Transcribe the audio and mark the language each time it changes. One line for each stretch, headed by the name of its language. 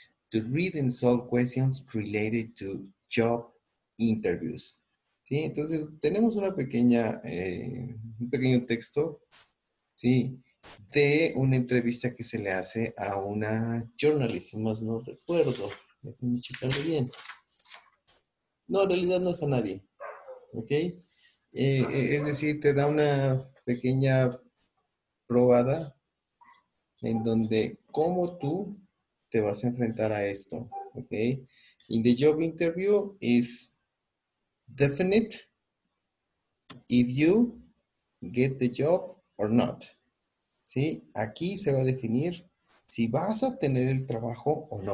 English: To read and solve questions related to job interviews.
Spanish: Sí, entonces tenemos una pequeña, un pequeño texto. Sí. De una entrevista que se le hace a una journalist, más no recuerdo. Déjenme checarlo bien. No, en realidad no está nadie. ¿Ok? Es decir, te da una pequeña probada en donde cómo tú te vas a enfrentar a esto. ¿Ok?
English: In the job interview is definite if you get the job or not.
Spanish: ¿Sí? Aquí se va a definir si vas a obtener el trabajo o no.